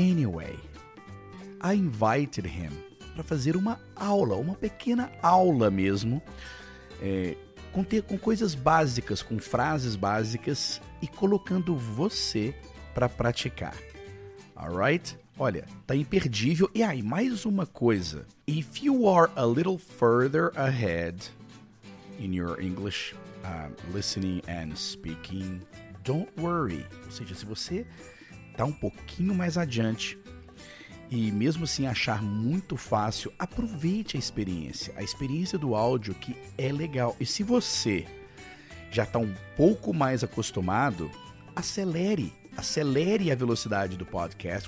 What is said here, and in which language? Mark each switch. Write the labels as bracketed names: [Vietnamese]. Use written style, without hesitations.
[English] Anyway, I invited him [Portuguese] para fazer uma aula, uma pequena aula mesmo, com coisas básicas, com frases básicas e colocando você para praticar. [English] Alright? [Portuguese] Olha, tá imperdível. E aí, mais uma coisa. [English] If you are a little further ahead in your English listening and speaking, don't worry. [Portuguese] Ou seja, se você tá um pouquinho mais adiante e mesmo assim achar muito fácil, aproveite a experiência. A experiência do áudio, que é legal. E se você já tá um pouco mais acostumado, acelere a velocidade do podcast.